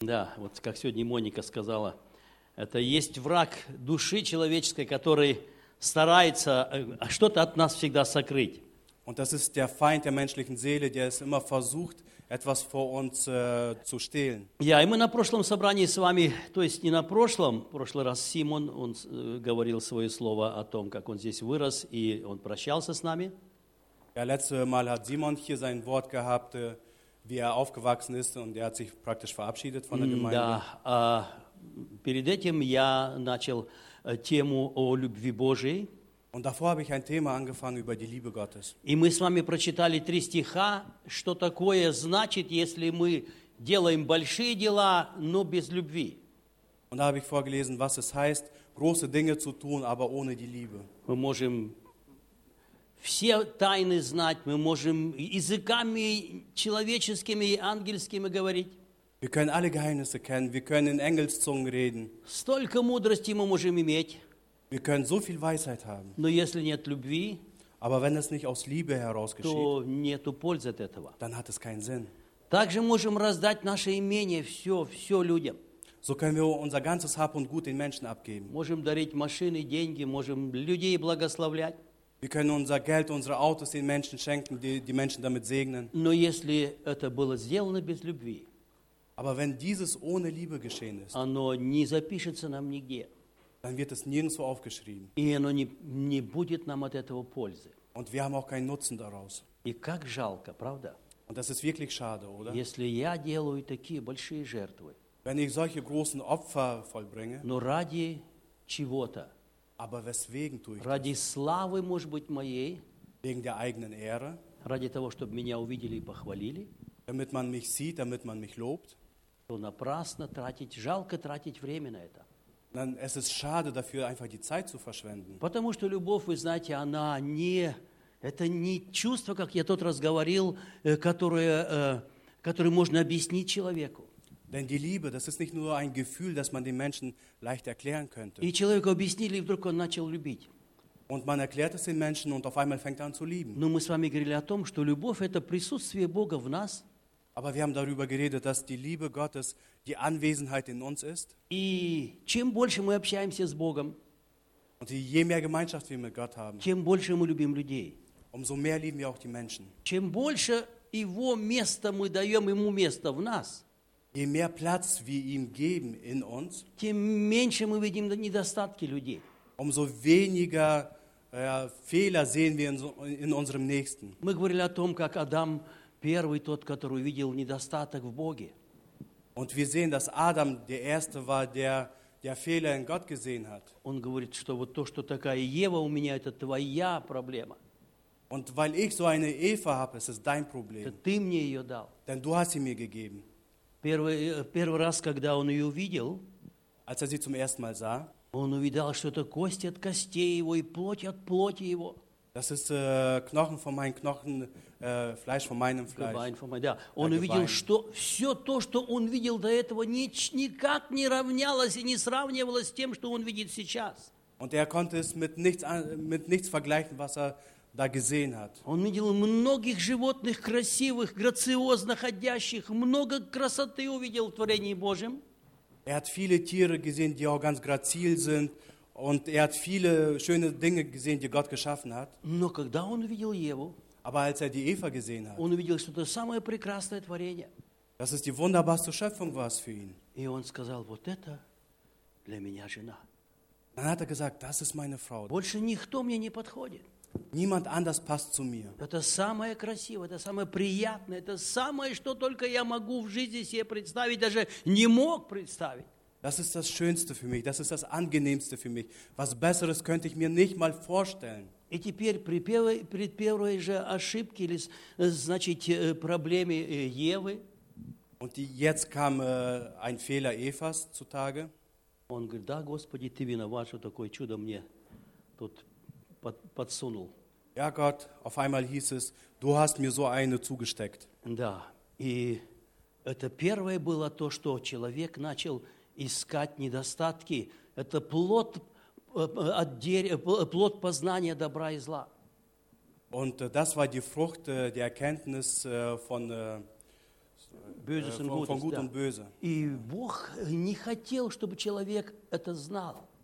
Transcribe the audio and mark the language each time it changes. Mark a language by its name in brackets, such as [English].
[Russian] да, вот как сегодня Моника сказала, это есть враг души человеческой, который старается что-то от нас всегда сокрыть. [German] Und das ist der Feind der menschlichen Seele, der es immer versucht, etwas vor uns zu stehlen. [Russian] Ja, мы на прошлом собрании с вами, то есть не на прошлом, в прошлый раз Симон, он говорил свое слово о том, как он здесь вырос, и он прощался с нами. [German] Ja, letzte Mal hat Simon hier sein Wort gehabt, wie aufgewachsen ist, und hat sich praktisch verabschiedet von der Gemeinde. [Russian] Ja, перед этим я начал тему о любви Божией. [German] Und davor habe ich ein Thema angefangen über die Liebe Gottes. [Russian] И мы с вами прочитали три стиха, что такое значит, если мы делаем большие дела, но без любви. [German] Und da habe ich vorgelesen, was es heißt, große Dinge zu tun, aber ohne die Liebe. [Russian] Мы можем все тайны знать, мы можем языками человеческими и ангельскими говорить. [German] Wir können alle Geheimnisse kennen, wir können in Engelszungen reden. [Russian] Столько мудрости мы можем иметь. [German] Wir können so viel Weisheit haben. [Russian] Но если нет любви, [German] aber wenn es nicht aus Liebe heraus geschieht, [Russian] то нету пользы от этого. [German] Dann hat es keinen Sinn. [Russian] Также можем раздать наше имение, все людям. [German] So können wir unser ganzes Hab und Gut den Menschen abgeben. [Russian] Можем дарить машины, деньги, можем людей благословлять. [German] Wir können unser Geld, unsere Autos den Menschen schenken, die Menschen damit segnen. [Russian] Но если это было сделано без любви, [German] aber wenn dieses ohne Liebe geschehen ist, [Russian] оно не запишется нам нигде. [German] Dann wird es nirgendwo aufgeschrieben. [Russian] И оно не будет нам от этого пользы. [German] Und wir haben auch keinen Nutzen daraus. [Russian] И как жалко, правда? [German] Und das ist wirklich schade, oder? [Russian] Если я делаю такие большие жертвы, [German] wenn ich solche großen Opfer vollbringe, [Russian] но ради чего-то, [German] aber weswegen tue ich [Russian] ради [German] das? [Russian] Славы, может быть, моей, [German] wegen der eigenen Ehre, [Russian] ради того, чтобы меня увидели и похвалили, [German] damit man mich sieht, damit man mich lobt, [Russian] то напрасно тратить, жалко тратить время на это. [German] Dann es ist schade dafür, einfach die Zeit zu verschwenden. [Russian] Потому что любовь, вы знаете, она не, это не чувство, как я тот раз говорил, которое можно объяснить человеку. [German] Denn die Liebe, das ist nicht nur ein Gefühl, das man den Menschen leicht erklären könnte. [Russian] И человеку объяснили, и вдруг он начал любить. [German] Und man erklärt es den Menschen und auf einmal fängt er an zu lieben. [Russian] Но мы с вами говорили о том, что любовь – это присутствие Бога в нас. [German] Aber wir haben darüber geredet, dass die Liebe Gottes die Anwesenheit in uns ist. [Russian] И чем больше мы общаемся с Богом, [German] und je mehr Gemeinschaft wir mit Gott haben, [Russian] тем больше мы любим людей. [German] Umso mehr lieben wir auch die Menschen. [Russian] Чем больше его места мы даем ему место в нас, [German] je mehr Platz wir ihm geben in uns, [Russian] тем меньше мы видим недостатки людей. [German] Umso weniger Fehler sehen wir in unserem Nächsten. [Russian] Мы говорили о том, как Адам первый тот, который увидел недостаток в Боге. [German] Und wir sehen, dass Adam der Erste war, der Fehler in Gott gesehen hat. [Russian] Он говорит, что вот то, что такая Ева у меня, это твоя проблема. [German] Und weil ich so eine Eva habe, es ist dein Problem. [Russian] Это ты мне ее дал. [German] Denn du hast sie mir gegeben. [Russian] Первый раз, когда он ее увидел, [German] als er sie zum ersten Mal sah, [Russian] он увидел, что это кость от костей его и плоть от плоти его. [German] Das ist Knochen von meinen Knochen, Fleisch von meinem Fleisch. Gebein von meinem, ja. [Russian] Он увидел, что все то, что он видел до этого, никак не равнялось и не сравнивалось с тем, что он видит сейчас. [German] Und er konnte es mit nichts vergleichen, was er da gesehen hat. [Russian] Он видел многих животных красивых, грациозно ходящих, много красоты увидел в творении Божьем. [German] Er hat viele Tiere gesehen, die auch ganz grazil sind. Und hat viele schöne Dinge gesehen, die Gott geschaffen hat. [Russian] Но когда он увидел Еву, [German] aber als die Eva gesehen hat, [Russian] он увидел, что это самое прекрасное творение. [German] Das ist die wunderbarste Schöpfung war es für ihn. [Russian] И он сказал, вот это для меня жена. [German] Dann hat gesagt, das ist meine Frau. [Russian] Больше никто мне не подходит. [German] Niemand anders passt zu mir. [Russian] Это самое красивое, это самое приятное, это самое, что только я могу в жизни себе представить, даже не мог представить. [German] Das ist das Schönste für mich, das ist das Angenehmste für mich. Was Besseres könnte ich mir nicht mal vorstellen. [Russian] И теперь при первой же ошибке или, значит, проблеме Евы, [German] und jetzt kam ein Fehler Evas zutage. [Russian] Он говорит, да, Господи, ты виноват, что такое чудо мне тут подсунул. [German] Ja, Gott, auf einmal hieß es, du hast mir so eine zugesteckt. [Russian] Да, и это первое было то, что человек начал искать недостатки. Это плод познания добра и зла. [German] Und das war die Frucht der Erkenntnis von Böses und Gutes. Von Gut und Böse. [Russian] И Бог не хотел, чтобы человек это знал.